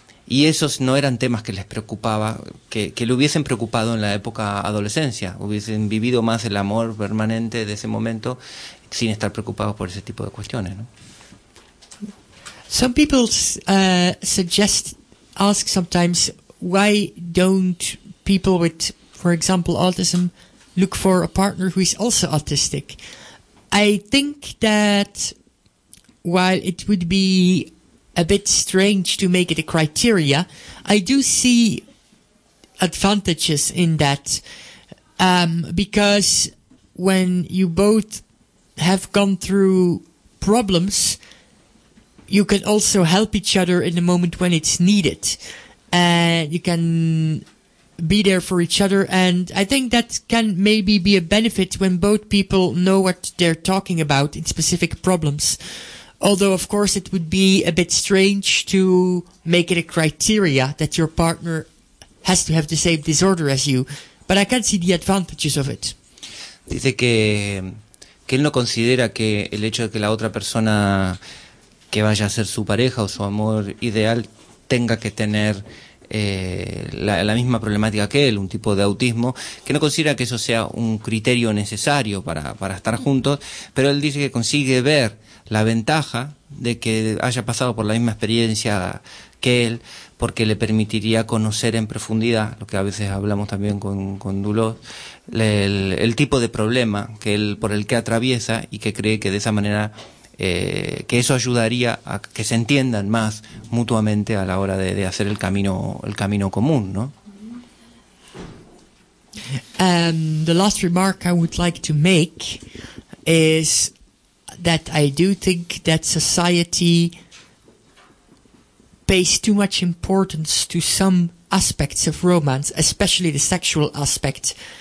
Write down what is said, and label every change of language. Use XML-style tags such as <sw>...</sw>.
<es>Y esos no eran temas que les preocupaba, que le hubiesen preocupado en la época adolescencia. Hubiesen vivido más el amor permanente de ese momento sin estar preocupados por ese tipo de cuestiones, ¿no?</es> <en>Some people ask sometimes, why don't people with, for example, autism, look for a partner who is also autistic? I think that while it would be a bit strange to make it a criteria, I do see advantages in that, because when you both have gone through problems, you can also help each other in the moment when it's needed. And you can be there for each other. And I think that can maybe be a benefit when both people know what they're talking about in specific problems. Although, of course, it would be a bit strange to make it a criteria that your partner has to have the same disorder as you. But I can see the advantages of it.</en> <es>Dice que él no considera que el hecho de que la otra persona que vaya a ser su pareja o su amor ideal tenga que tener la misma problemática que él, un tipo de autismo, que no considera que eso sea un criterio necesario para estar juntos, pero él dice que consigue ver la ventaja de que haya pasado por la misma experiencia que él, porque le permitiría conocer en profundidad, lo que a veces hablamos también con Dulot, el tipo de problema que él, por el que atraviesa, y que cree que de esa manera, que eso ayudaría a que se entiendan más mutuamente a la hora de hacer el camino común, ¿no?</es> <en>The last remark I would like to make is that I do think that society pays too much importance to some aspects of romance, especially the sexual aspect.</en>